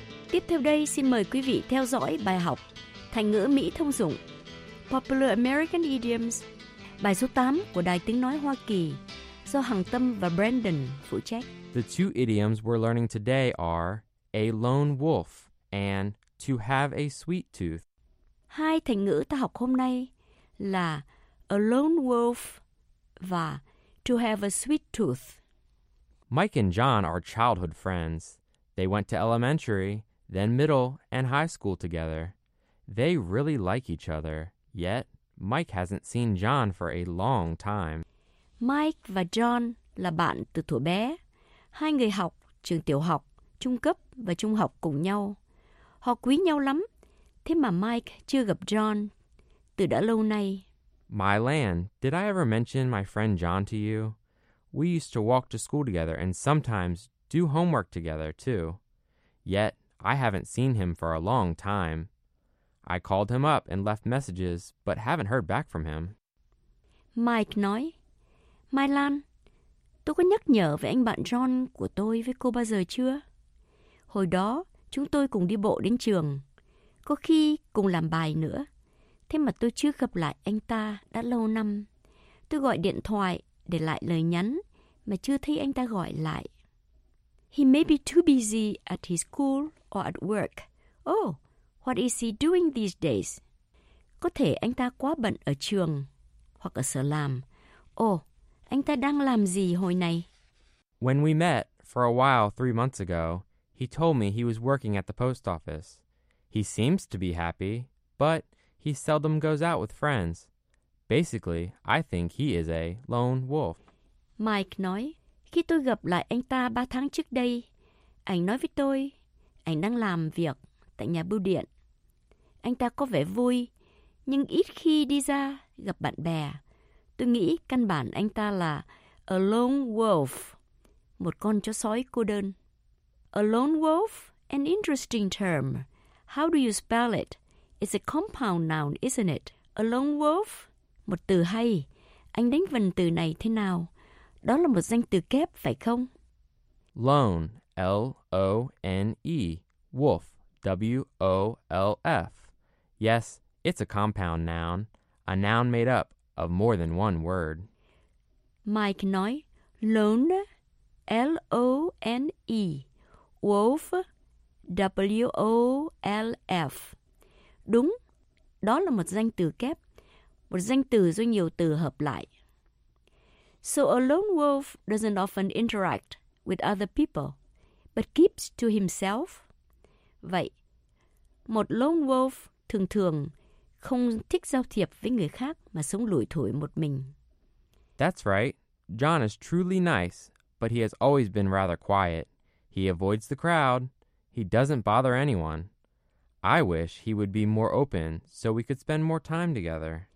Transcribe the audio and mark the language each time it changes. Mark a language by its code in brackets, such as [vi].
[vi] Tiếp theo đây xin mời quý vị theo dõi bài học thành ngữ Mỹ thông dụng, Popular American Idioms, bài số 8 của Đài Tiếng Nói Hoa Kỳ, do Hằng Tâm và Brandon phụ trách. [en] The two idioms we're learning today are a lone wolf and to have a sweet tooth. [vi] Hai thành ngữ ta học hôm nay là a lone wolf và to have a sweet tooth. [en] Mike and John are childhood friends. They went to elementary, then middle and high school together. They really like each other, yet Mike hasn't seen John for a long time. [vi] Mike và John là bạn từ thuở bé. Hai người học trường tiểu học, trung cấp và trung học cùng nhau. Họ quý nhau lắm, thế mà Mike chưa gặp John từ đã lâu nay. [en] My land, did I ever mention my friend John to you? We used to walk to school together and sometimes do homework together too. Yet I haven't seen him for a long time. I called him up and left messages, but haven't heard back from him. [vi] Mike nói, Mai Lan, tôi có nhắc nhở về anh bạn John của tôi với cô bao giờ chưa? Hồi đó, chúng tôi cùng đi bộ đến trường, có khi cùng làm bài nữa. Thế mà tôi chưa gặp lại anh ta đã lâu năm. Tôi gọi điện thoại để lại lời nhắn, mà chưa thấy anh ta gọi lại. [en] He may be too busy at his school or at work. Oh! What is he doing these days? [vi] Có thể anh ta quá bận ở trường hoặc ở sở làm. Oh, anh ta đang làm gì hồi này? [en] When we met for a while 3 months ago, he told me he was working at the post office. He seems to be happy, but he seldom goes out with friends. Basically, I think he is a lone wolf. [vi] Mike nói, khi tôi gặp lại anh ta 3 tháng trước đây, anh nói với tôi, anh đang làm việc tại nhà bưu điện. Anh ta có vẻ vui, nhưng ít khi đi ra gặp bạn bè. Tôi nghĩ căn bản anh ta là a lone wolf, một con chó sói cô đơn. [en] A lone wolf, an interesting term. How do you spell it? It's a compound noun, isn't it? A lone wolf, [vi] một từ hay. Anh đánh vần từ này thế nào? Đó là một danh từ kép, phải không? [en] Lone, L-O-N-E, wolf. W-O-L-F. Yes, it's a compound noun, a noun made up of more than one word. [vi] Mike nói, lone, L-O-N-E, wolf, W-O-L-F. Đúng, đó là một danh từ kép, một danh từ do nhiều từ hợp lại. [en] So a lone wolf doesn't often interact with other people, but keeps to himself. [vi] Vậy, một lone wolf thường thường không thích giao thiệp với người khác mà sống lủi thủi một mình. [en] That's right. John is truly nice, but he has always been rather quiet. He avoids the crowd. He doesn't bother anyone. I wish he would be more open so we could spend more time together.